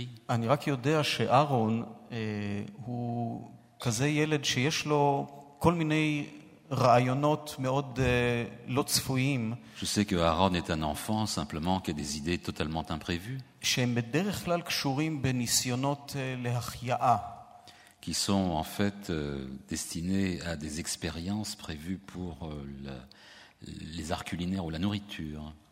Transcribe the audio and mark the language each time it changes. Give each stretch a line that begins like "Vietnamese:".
Hebrew: אני רק יודע שאהרון הוא כזה ילד שיש לו כל מיני רעיונות מאוד לא צפויים.
French: Je sais que Aaron est un enfant simplement qui a des idées totalement imprévues.
Hebrew: שהם בדרך כלל קשורים בניסיונות להחייאה.
French: Qui sont en fait destinés à des expériences prévues pour les arts culinaires ou la nourriture.